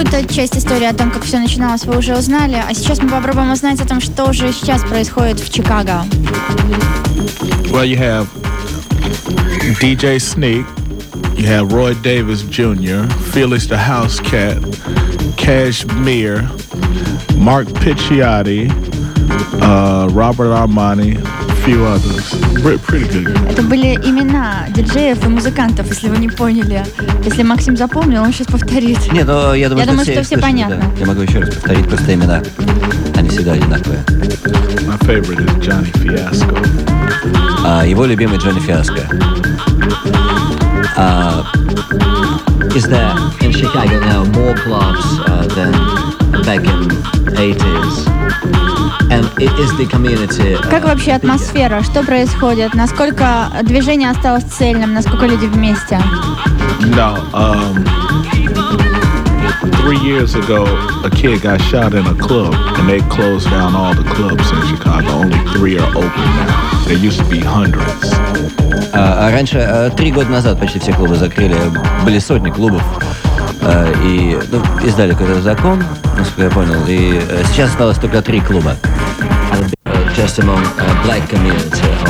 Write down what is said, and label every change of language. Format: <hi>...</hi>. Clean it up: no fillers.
<ru>Часть истории о том, как все начиналось, вы уже узнали. А сейчас мы попробуем узнать о том, что же сейчас происходит в Чикаго.</ru> <en>Well, you have DJ Sneak, you have Roy Davis Jr., Felix the House Cat, Cashmere, Mark Picciotti, Robert Armani, few others. Pretty good.</en> <ru>Это были имена диджеев и музыкантов, если вы не поняли. Если Максим запомнил, он сейчас повторит. Не, но я думаю, я что все понятно. Да. Я могу еще раз повторить просто имена. Они всегда одинаковые.</ru> <en>My favorite is Johnny Fiasco.</en> <ru>А его любимый Джонни Фиаско.</ru> <en>Is there in Chicago now more clubs than back in the 80s? And it is the community.</en> <ru>Как вообще атмосфера? Что происходит? Насколько движение осталось цельным? Насколько люди вместе?</ru> <en>No. Three years ago, a kid got shot in a club, and they closed down all the clubs in Chicago. Only three are open now. There used to be hundreds.</en> <ru>А раньше, три года назад почти все клубы закрыли. Были сотни клубов. И ну, издали какой-то закон, насколько я понял. И сейчас осталось только три клуба.</ru> <en>Just among black community.</en>